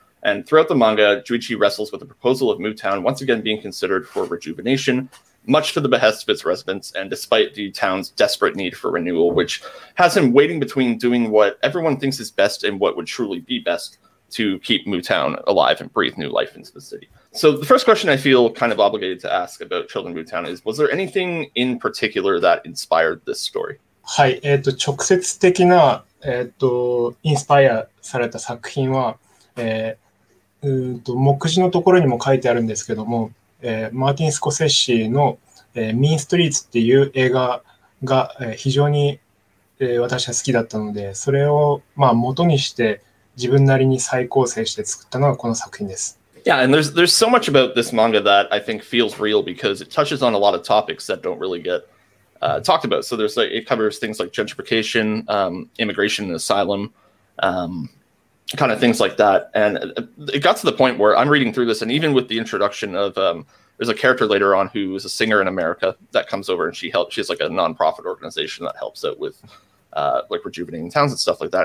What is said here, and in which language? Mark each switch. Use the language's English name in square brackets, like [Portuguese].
[English] And throughout the manga, Juichi wrestles with the proposal of Mutown once again being considered for rejuvenation, much to the behest of its residents, and despite the town's desperate need for renewal, which has him waiting between doing what everyone thinks is best and what would truly be best to keep Mutown alive and breathe new life into the city. So the first question I feel kind of obligated to ask about Children of Mutown is, was there anything in particular that inspired this story? [Japanese] はい、直接的な、インスパイアされた作品は、目次のところにも書いてあるんですけども、マーティン・スコセッシーの、ミンストリーツっていう映画が、非常に、私は好きだったので、それを、まあ、元にして自分なりに再構成して作ったのがこの作品です。 [English] Yeah, and there's so much about this manga that I think feels real because it touches on a lot of topics that don't really get talked about. So there's like, it covers things like gentrification, immigration and asylum, kind of things like that. And it got to the point where I'm reading through this, and even with the introduction of, there's a character later on who is a singer in America that comes over and she's like a nonprofit organization that helps out with like rejuvenating towns and stuff like that.